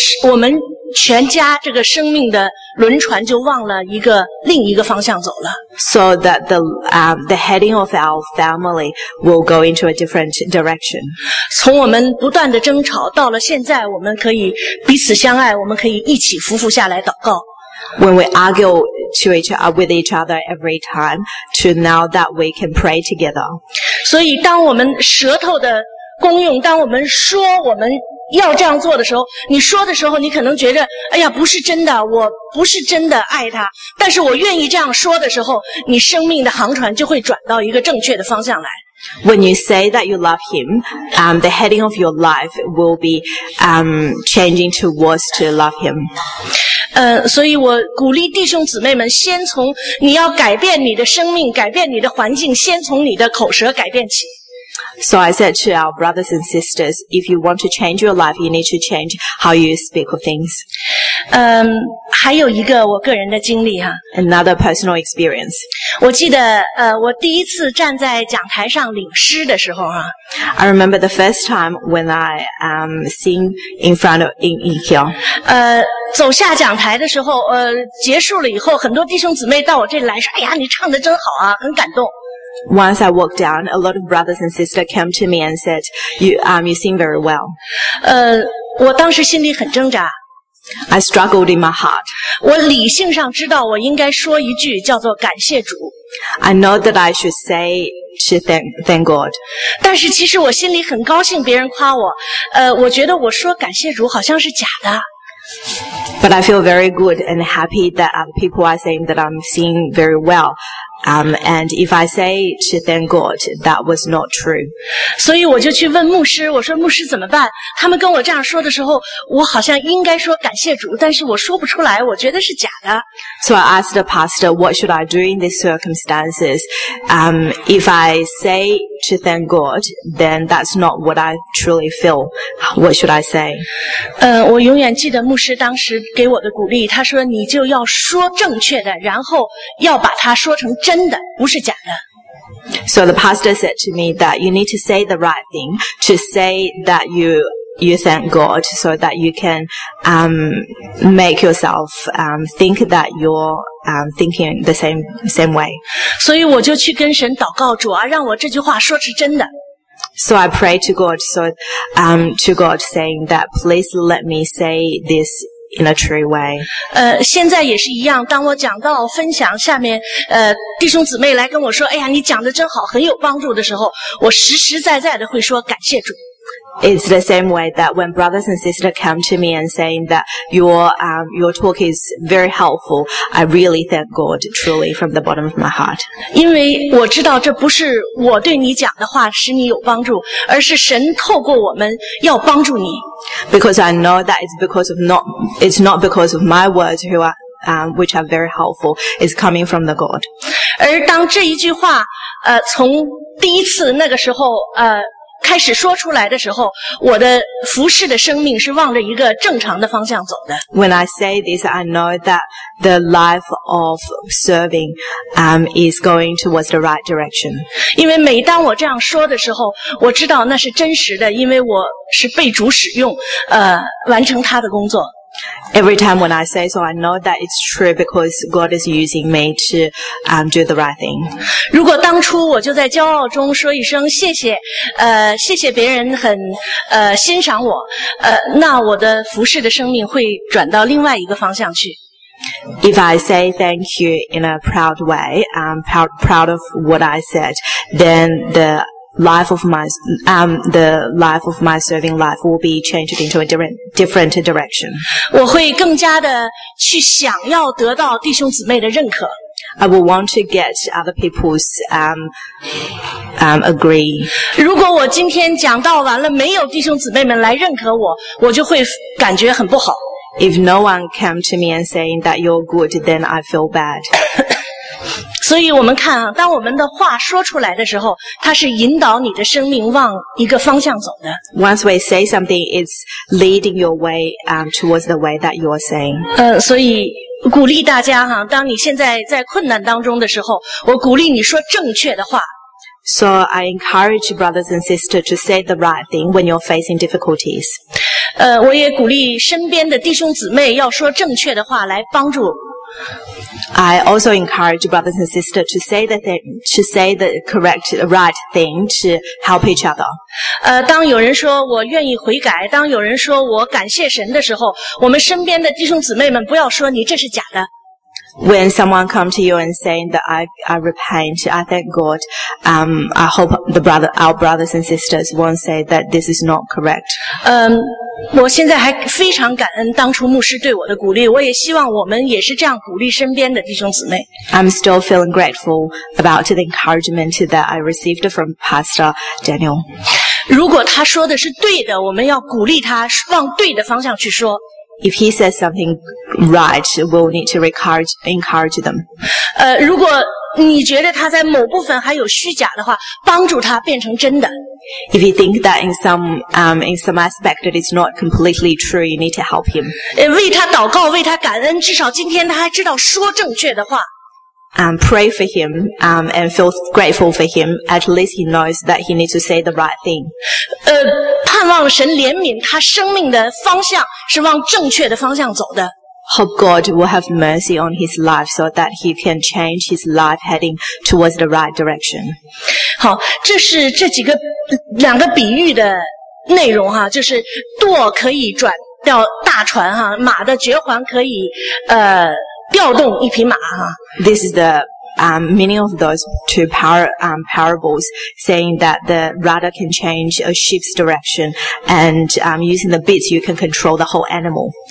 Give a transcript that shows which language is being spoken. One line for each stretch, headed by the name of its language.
Chinese: 我们全家这个生命的轮船就往了一个另一个方向走了。
English: So that the heading of our family will go into a different direction.
Chinese: 从我们不断的争吵到了现在，我们可以彼此相爱，我们可以一起匍匐下来祷告。
English: When we argue with each other every time, to now that we can pray together.
Chinese: 所以当我们舌头的功用，当我们说我们要这样做的时候，你说的时候你可能觉得哎呀不是真的，我不是真的爱他，但是我愿意这样说的时候，你生命的航船就会转到一个正确的方向来。
English: When you say that you love him, the heading of your life will be changing towards to love him.
Chinese: 所以我鼓励弟兄姊妹们先从你要改变你的生命改变你的环境先从你的口舌改变起。
English: So I said to our brothers and sisters, if you want to change your life, you need to change how you speak of things.
Chinese: 还有一个我个人的经历哈。
English: Another personal experience.
Chinese: 我记得我第一次站在讲台上领诗的时候哈。
English: I remember the first time when I sing in front of Ezekiel.
Chinese: 走下讲台的时候结束了以后很多弟兄姊妹到我这里来说哎呀你唱得真好啊很感动。
English: Once I walked down, a lot of brothers and sisters came to me and said, you sing very well.
Chinese: 我当时心里很挣扎。
English: I struggled in my heart.
Chinese: 我理性上知道我应该说一句叫做感谢主。
English: I know that I should say to thank God.
Chinese: 但是其实我心里很高兴别人夸我。我觉得我说感谢主好像是假的。
English: But I feel very good and happy that other people are saying that I'm singing very well. And if I say to thank God, that was not true.
Chinese: 所以我就去问牧师，我说牧师怎么办？他们跟我这样说的时候，我好像应该说感谢主，但是我说不出来，我觉得是假的。
English: So I asked the pastor, what should I do in these circumstances? If I say to thank God, then that's not what I truly feel. What should I say?
Chinese: 我永远记得牧师当时给我的鼓励，他说你就要说正确的，然后要把它说成真的，不是假的。
English: So the pastor said to me that you need to say the right thing, to say that you thank God so that you can make yourself think that you're thinking the same way.
Chinese: 所以我就去跟神祷告，主啊，让我这句话说是真的。
English: So I prayed to God, saying that please let me say this in a true way.
Chinese: 现在也是一样，当我讲到分享下面，弟兄姊妹来跟我说，哎呀，你讲的真好，很有帮助的时候，我实实在在的会说感谢主。
English: It's the same way that when brothers and sisters come to me and saying that your talk is very helpful, I really thank God truly from the bottom of my heart.
Chinese: 因为我知道这不是我对你讲的话使你有帮助，而是神透过我们要帮助你。
English: Because I know that it's not because of my words which are very helpful, it's coming from the God.
Chinese: 而当这一句话从第一次那个时候开始说出来的时候，我的服事的生命是往着一个正常的方向走的。
English: When I say this, I know that the life of serving, is going towards the right direction.
Chinese: 因为每当我这样说的时候，我知道那是真实的，因为我是被主使用，完成他的工作。
English: Every time when I say so, I know that it's true because God is using me to do the right thing.
Chinese: 如果当初我就在骄傲中说一声谢谢，谢谢别人很欣赏我，那我的服事的生命会转到另外一个方向去。
English: If I say thank you in a proud way, I'm proud of what I said, then the life of my serving life will be changed into a different direction.
Chinese: 我会更加的去想要得到弟兄姊妹的认可。
English: I will want to get other people's agree.
Chinese: 如果我今天讲到完了，没有弟兄姊妹们来认可我，我就会感觉很不好。
English: If no one came to me and saying that you're good, then I feel bad.
Chinese: 所以我们看啊，当我们的话说出来的时候，它是引导你的生命往一个方向走的。
English: Once we say something, it's leading your way towards the way that you're saying.
Chinese: 所以鼓励大家哈，当你现在在困难当中的时候，我鼓励你说正确的话。
English: So I encourage brothers and sisters to say the right thing when you're facing difficulties.
Chinese: 我也鼓励身边的弟兄姊妹要说正确的话来帮助。
English: I also encourage brothers and sisters to say the right thing to help each other.
Chinese: 当有人说我愿意悔改，当有人说我感谢神的时候，我们身边的弟兄姊妹们不要说你这是假的。
English: when someone comes to you and saying that I repent, I thank God, I hope the brother, our brothers and sisters won't say that this is not correct.
Chinese: 我现在还非常感恩当初牧师对我的鼓励，我也希望我们也是这样鼓励身边的弟兄姊妹。
English: I'm still feeling grateful about the encouragement that I received from Pastor Daniel.
Chinese: 如果他说的是对的，我们要鼓励他往对的方向去说。
English: If he says something right, we'll need to encourage them.
Chinese: 如果你觉得他在某部分还有虚假的话，帮助他变成真的。
English: If you think that in some aspect that it's not completely true, you need to help him.
Chinese: 为他祷告，为他感恩，至少今天他还知道说正确的话。
English: Pray for him, and feel grateful for him. At least he knows that he needs to say the right thing.
Chinese: 盼望神怜悯他生命的方向是往正确的方向走的。
English: Hope God will have mercy on his life so that he can change his life heading towards the right direction.
Chinese: 好，这是这几个两个比喻的内容哈，就是舵可以转掉大船哈，马的绝环可以调动一匹马哈。
English: This is the meaning of those two parables, saying that the rudder can change a ship's direction, and using the bits you can control the whole animal.